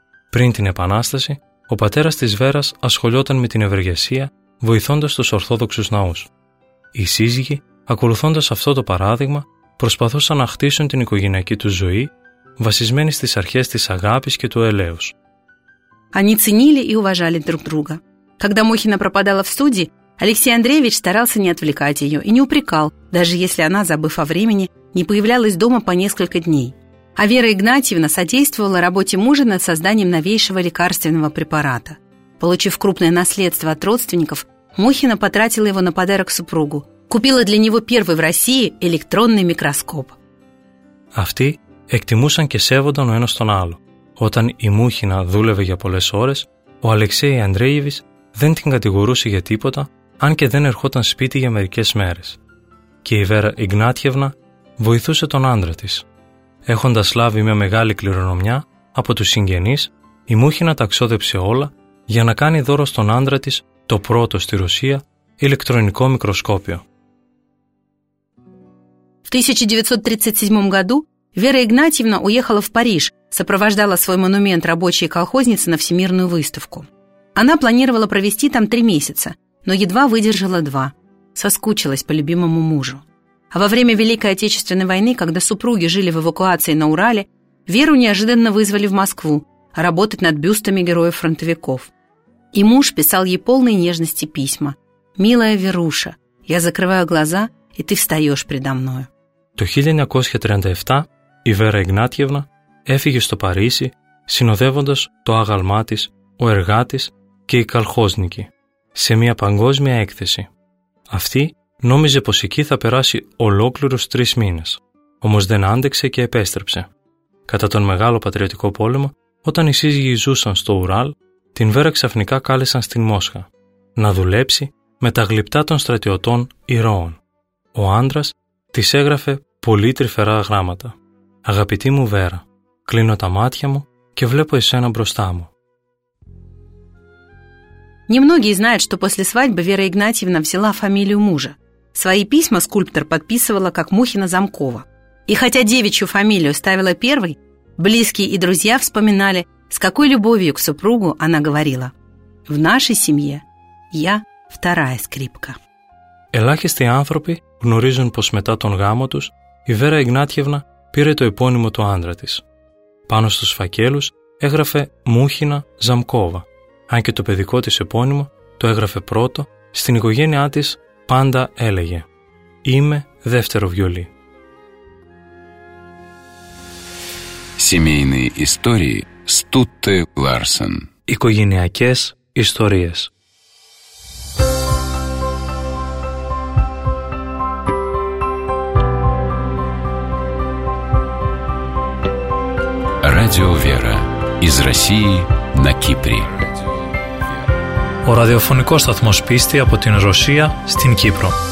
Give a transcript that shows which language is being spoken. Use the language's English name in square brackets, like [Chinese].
[Greek] Πριν την Επανάσταση, ο πατέρας της Βέρας ασχολιόταν με την ευεργεσία, βοηθώντας τους Ορθόδοξους ναούς. Οι σύζυγοι, ακολουθώντας αυτό το παράδειγμα, προσπαθούσαν να χτίσουν την οικογενειακή τους ζωή, βασισμένη στις αρχές της αγάπης και του ελέους. [Russian] Они ценили и уважали друг друга. Когда Мухина пропадала в студии, Алексей Андреевич старался не отвлекать ее и не упрекал, даже если она, забыв о времени, не появлялась дома по несколько дней. А Вера Игнатьевна содействовала работе мужа над созданием новейшего лекарственного препарата. Получив крупное наследство от родственников, Мухина потратила его на подарок супругу. Купила для него первый в России электронный микроскоп. [Greek] Αυτοί εκτιμούσαν και σέβονταν ο ένας τον άλλο. Όταν η Μούχινα δούλευε για πολλές ώρες, ο Αλεξέη Ανδρέιβης δεν την κατηγορούσε για τίποτα, αν και δεν ερχόταν σπίτι για μερικές μέρες. Και η Βέρα Ιγνάτιευνα βοηθούσε τον άντρα της. Έχοντας λάβει μια μεγάλη κληρονομιά από τους συγγενείς, η Μούχινα ταξόδεψε όλα για να κάνει δώρο στον άντρα της το πρώτο στη Ρωσία ηλεκτρονικό μικροσκόπιο. [Russian] В 1937 году Вера Игнатьевна уехала в Париж, сопровождала свой монумент рабочей колхозницы на всемирную выставку. Она планировала провести там 3 месяца, но едва выдержала 2. Соскучилась по любимому мужу. А во время Великой Отечественной войны, когда супруги жили в эвакуации на Урале, Веру неожиданно вызвали в Москву работать над бюстами героев-фронтовиков. И муж писал ей полные нежности письма. «Милая Веруша, я закрываю глаза, и ты встаешь предо мною». [Greek] То 1937 η Βέρα Ιγνάτιευνα έφυγε στο Παρίσι, συνοδεύοντας το άγαλμά της, ο εργάτης και οι καλχόσνικοι, σε μια παγκόσμια έκθεση. Αυτή νόμιζε πως εκεί θα περάσει ολόκληρους 3 μήνες, όμως δεν άντεξε και επέστρεψε. Κατά τον Μεγάλο Πατριωτικό Πόλεμο, όταν οι σύζυγοι ζούσαν στο Ουράλ, την Βέρα ξαφνικά κάλεσαν στην Μόσχα, να δουλέψει με τα γλυπτά των στρατιωτών ηρώων. Ο άντρας της έγραφε πολύ τρυφερά γράμματα. Αγαπητή μου Βέρα, κλείνω τα μάτια μου και βλέπω εσένα μπροστά μου. [Russian] Немногие знают, что после свадьбы Вера Игнатьевна взяла фамилию мужа. Свои письма скульптор подписывала как Мухина Замкова. И хотя девичью фамилию ставила первой, близкие и друзья вспоминали, с какой любовью к супругу она говорила: «В нашей семье я вторая скрипка». [Greek] Ελάχιστοι άνθρωποι γνωρίζουν πως μετά τον γάμο τους η Βέρα Игнатьевна πήρε το επώνυμο του άντρα της. Πάνω στους φακέλους έγραφε Μούχινα Ζαμκόβα, αν και το παιδικό της επώνυμο το έγραφε πρώτο, στην οικογένειά της πάντα έλεγε «Είμαι δεύτερο βιολί». [Russian] Семейные истории Стутте Ларсен. [Greek] Οικογενειακές ιστορίες. [Russian] Радио Вера из России на Кипре. [Greek] Ο ραδιοφωνικός σταθμός πίστη από την Ρωσία στην Κύπρο.